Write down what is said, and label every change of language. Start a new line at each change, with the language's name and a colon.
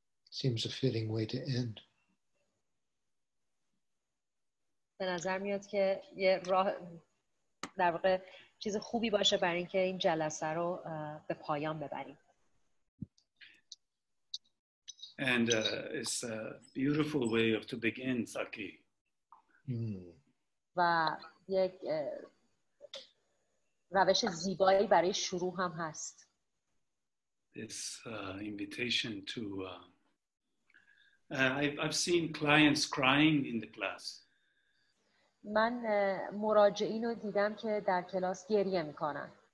English: Seems a fitting way to end.
Persian: به نظر میاد که یه راه در واقع چیز خوبی باشه برای اینکه این جلسه رو به پایان ببریم.
English: And it's a beautiful way of to begin, Saki.
Persian: و یک روش زیبایی برای شروع هم هست.
English: This invitation to I've seen clients crying in the class.
Persian: من مراجعین رو دیدم که در کلاس گریه میکنن.